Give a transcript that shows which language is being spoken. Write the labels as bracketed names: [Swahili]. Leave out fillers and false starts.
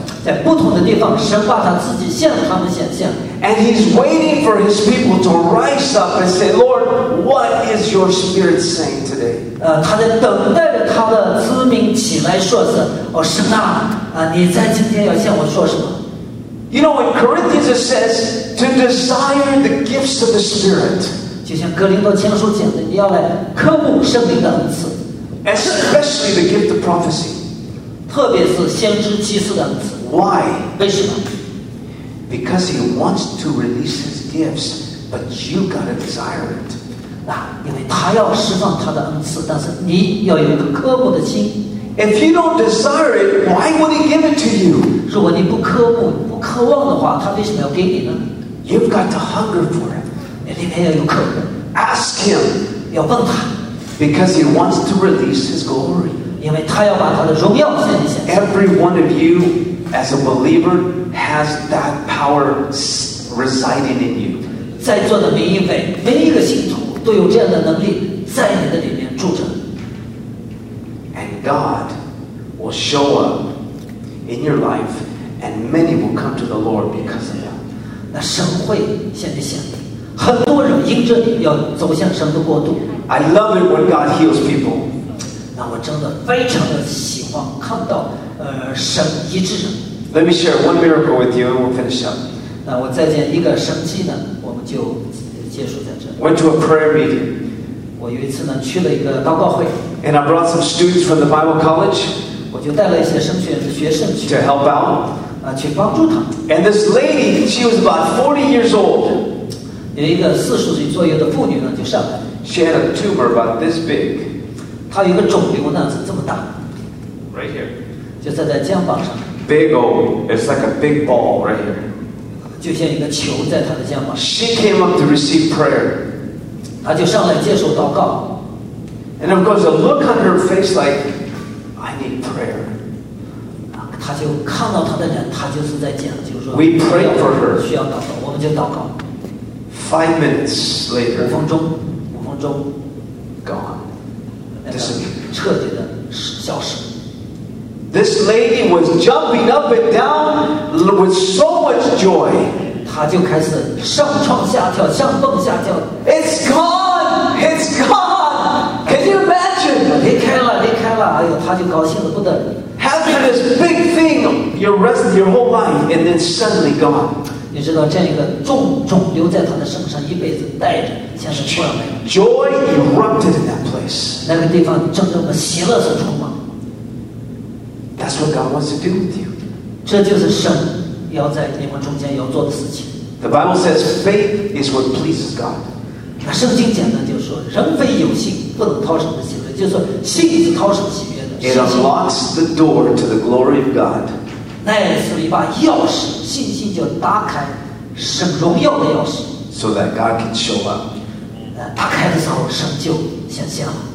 [Chinese] 在不同的地方，神把他自己向他们显现。 [English] And He's waiting for His people to rise up and say, Lord, what is Your Spirit saying today? [Chinese] 他在等待着他的子民起来说是，哦，神啊，啊，你在今天要向我说什么？ [English] You know, in Corinthians it says to desire the gifts of the Spirit. [Chinese] 就像哥林多前书讲的，你要来渴慕圣灵的恩赐 [English] especially the gift of prophecy. [Chinese] 特别是先知启示的恩赐 [English] Why? [Chinese] 为什么 [English] Because He wants to release His gifts, but you gotta desire it. [Chinese] 那因为他要释放他的恩赐，但是你要有一个渴慕的心。 [English] If you don't desire it, why would He give it to you? [Chinese] 如果你不渴慕渴望的话，他为什么要给你呢 [English] ？You've got to hunger for it. [Chinese] 你里面要有渴慕。 [English] Ask Him. [Chinese] 要问他。 [English] Because He wants to release His glory. [Chinese] 因为他要把他的荣耀显现。 [English] Every one of you, as a believer, has that power residing in you. [Chinese] 在座的每一位，每一个信徒都有这样的能力在你的里面住着。 [English] And God will show up in your life. And many will come to the Lord because of that. [Chinese] 那神会显一显，很多人因着你要走向神的国度。 [English] I love it when God heals people. [Chinese] 那我真的非常的喜欢看到神医治人。 [English] Let me share one miracle with you, and we'll finish up. [Chinese] 那我再见一个神迹呢，我们就结束在这。 [English] Went to a prayer meeting. [Chinese] 我有一次呢去了一个祷告会。 [English] And I brought some students from the Bible College. [Chinese] 我就带了一些神学院的学生去。 [English] To help out. [Chinese] 去帮助他。 [English] And this lady, she was about 40 years old. [Chinese] 有一个四十岁左右的妇女呢，就上来。 [English] She had a tumor about this big. [Chinese] 她有一个肿瘤呢，是这么大。 [English] Right here. [Chinese] 就在肩膀上。 [English] Big old, it's like a big ball right here. [Chinese] 就像一个球在她的肩膀。 [English] She came up to receive prayer. [Chinese] 她就上来接受祷告。 [English] And of course, a look on her face like, I need prayer. [Chinese] 他就看到他的人，他就是在讲，就是说 [English] ，We pray for her， [Chinese] 需要祷告，我们就祷告。 [English] Five minutes later， [Chinese] 五分钟 [English] ，gone， [Chinese] 彻底的消失。 [English] This lady was jumping up and down with so much joy， [Chinese] 他就开始上蹿下跳，上蹦下跳。 [English] It's gone， it's gone， can you imagine？ [Chinese] 离开了，离开了，哎呦，他就高兴得不得了。 [English] Having this big thing, your rest, your whole life, and then suddenly gone. [Chinese] 你知道这样一个重留在他的身上一辈子带着，像是突然没有。 [English] Joy erupted in that place. [Chinese] 那个地方真正的喜乐所充满。 [English] That's what God wants to do with you. [Chinese] 这就是神要在你们中间要做的事情。 [English] The Bible says faith is what pleases God. [Chinese] 那圣经讲的就是说，人非有信不能讨神的喜悦，就是说信是讨神喜悦。 [English] It unlocks the door to the glory of God. [Chinese] 那是一把钥匙，信心就打开神荣耀的钥匙。 [English] So that God can show up. [Chinese] 打开的时候，神就显现了。